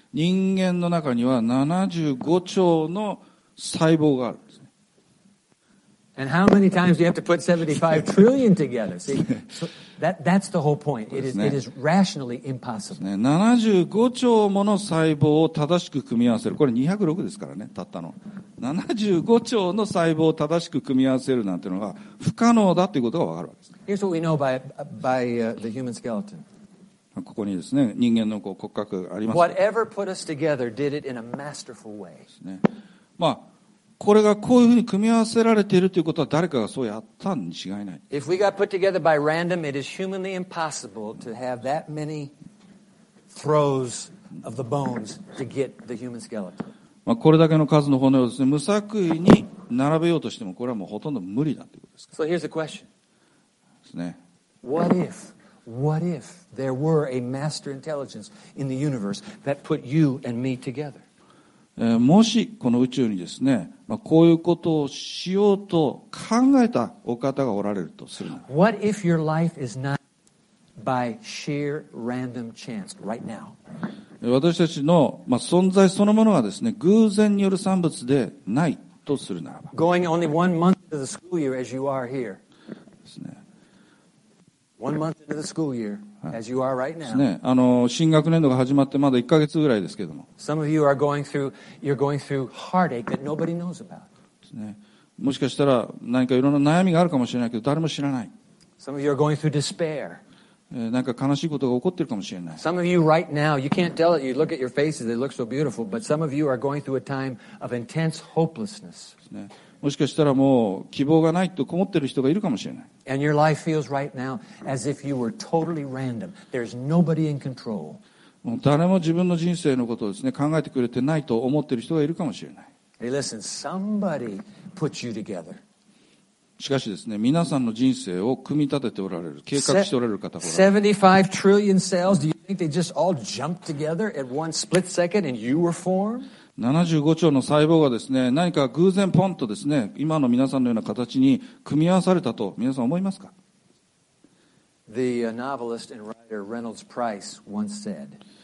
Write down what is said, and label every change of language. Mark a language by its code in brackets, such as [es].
[ja] 人間の中には75兆の細胞があるんですね。 [en] And how many times do you have to put 75 trillion together? See, that's the whole point. It is rationally impossible. [ja] ね、75兆もの細胞を正しく組み合わせる。これ206ですからね、たったの。 75兆の細胞を正しく組み合わせるなんていうのが不可能だということがわかるわけです。 [en] Here's what we know by the human skeleton. [ja] ここにですね、人間のこう骨格あります。 [en] Whatever put us together did it in a masterful way. [ja] ですね。まあ、これがこういうふうに組み合わせられているということは誰かがそうやったに違いない。 [en] If we got put together by random, it is humanly impossible to have that many throws of the bones to get the human skeleton. [ja] まあ、これだけの数の骨をですね、無作為に並べようとしても、これはもうほとんど無理だということですか。 [en] So here's the question. [ja] ですね。 [en] What if there were a master intelligence in the universe that put you and me together? [ja] もしこの宇宙にですね、まあ、こういうことをしようと考えたお方がおられるとするなら。 [en] What if your life is not by sheer random chance right now? [ja] 私たちの、まあ、存在そのものがですね、偶然による産物でないとするならば。 [en] Going only 1 month into the school year as you are here. [ja] ですね。 [en] One month into the school year, as you are right now. [ja] ね、あの新学年度が始まってまだ1ヶ月ぐらいですけども。 [en] Some of you are going through heartache that nobody knows about. [ja] ね、もしかしたら何かいろんな悩みがあるかもしれないけど誰も知らない。 [en] Some of you are going through despair. [ja] なんか悲しいことが起こってるかもしれない。 [en] Some of you right now, you can't tell it. You look at your faces; they look so beautiful. But some of you are going through a time of intense hopelessness. [ja] ね。もしかしたらもう希望がないとこもってる人がいるかもしれない。 [en] And your life feels right now as if you were totally random. There's nobody in control. [ja] もう誰も自分の人生のことをですね、考えてくれてないと思ってる人がいるかもしれない。 [en] Hey, listen, somebody put you together. [ja] しかしですね、皆さんの人生を組み立てておられる、計画しておられる方が。 [en] 75 trillion cells, do you think they just all jumped together at one split second and you were formed? [ja] 75兆の細胞がですね、何か偶然ポンとですね、今の皆さんのような形に組み合わされたと皆さん思いますか？ [en] The novelist and writer Reynolds Price once said,